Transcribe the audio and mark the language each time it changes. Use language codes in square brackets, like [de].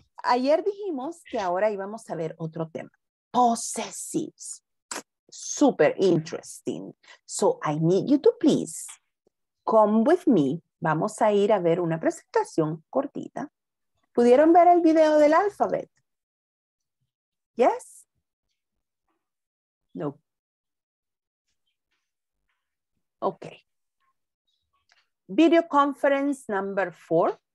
[es] Ayer dijimos que ahora íbamos a ver otro tema. [en] Possessives. Super interesting. So I need you to please come with me. [es] Vamos a ir a ver una presentación cortita. ¿Pudieron ver el video del alphabet? [en] Yes? No. Okay. Video conference number 4.